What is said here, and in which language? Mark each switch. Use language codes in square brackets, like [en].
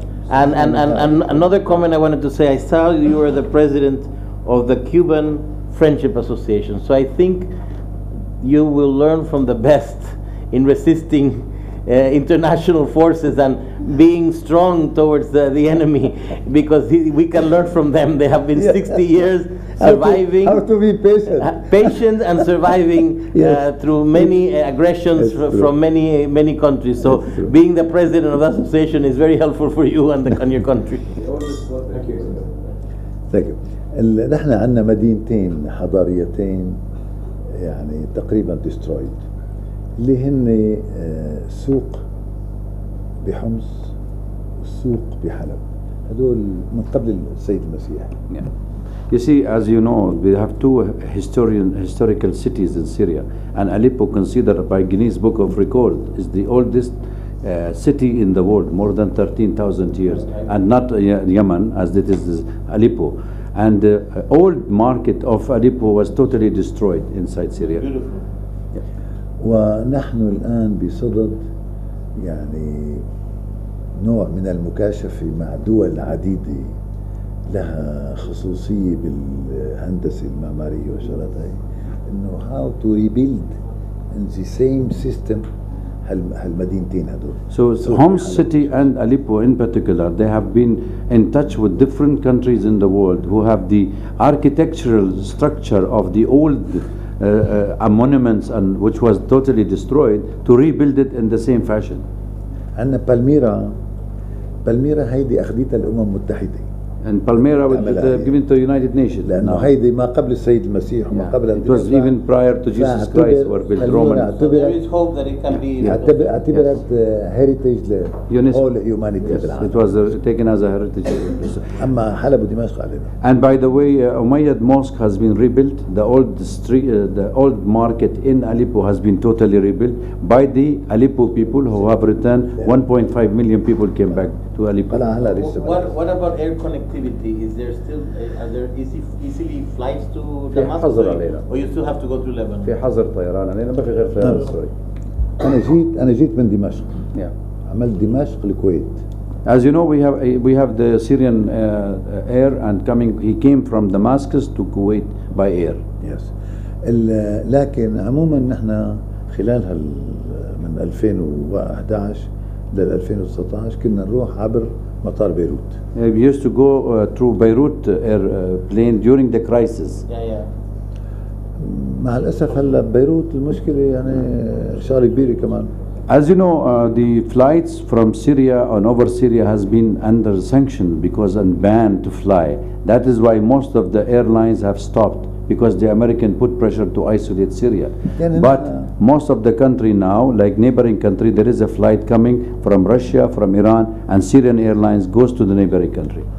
[en] And another comment I wanted to say, I saw you were the president of the Cuban Friendship Association, so I think you will learn from the best in resisting international forces and being strong towards the enemy, because we can learn from them. They have been 60 years surviving. How to be patient. Patient and surviving through many aggressions from many, many countries. So being the president of the association is very helpful for you and and your country. Thank you. Thank you. [ar] نحن عندنا مدينتين حضاريتين يعني تقريبا destroyed. اللي هن سوق بحمص وسوق بحلب هدول من قبل السيد المسيح [en] You see, as you know, we have two historical cities in Syria, and Aleppo, considered by Guinness Book of Records, is the oldest city in the world, more than 13,000 years, and not Yemen, as it is Aleppo. And the old market of Aleppo was totally destroyed inside Syria. [ar] ونحن الآن بصدد يعني نوع من المكاشفة مع دول عديدة لها خصوصية بالهندسة المعمارية وشغلات هاي إنه [en] how to rebuild in the same system [ar] هالمدينتين هدول. [en] So Homs City and Aleppo in particular, they have been in touch with different countries in the world who have the architectural structure of the old monuments and which was totally destroyed to rebuild it in the same fashion. [ar] عندنا بالميرا هيدي أخذتها الأمم المتحدة. [en] And Palmyra was given to the United Nations. No. It was even prior to Jesus Christ were built Roman. So there is hope that it can be. Yeah. Yes. Heritage the UNESCO. Whole humanity. Yes. It was taken as a heritage. And by the way, Umayyad Mosque has been rebuilt. The old street, the old market in Aleppo has been totally rebuilt by the Aleppo people who have returned. 1.5 million people came back to Aleppo. What about air connectivity? Is there still, easily flights to Damascus? Or you still have to go to Lebanon? I'm from Dimashq, Kuwait. As you know, we have the Syrian air and coming. He came from Damascus to Kuwait by air. Yes. [ar] لكن عموما نحن خلال هال من 2011 لل 2019 كنا نروح عبر مطار بيروت. [en] We used to go through Beirut air plane during the crisis. [ar] مع الأسف هلا بيروت المشكلة يعني شغلة كبيرة كمان. [en] As you know, the flights from Syria and over Syria has been under sanction because and banned to fly. That is why most of the airlines have stopped because the American put pressure to isolate Syria. But most of the country now, like neighboring country, there is a flight coming from Russia, from Iran, and Syrian airlines goes to the neighboring country.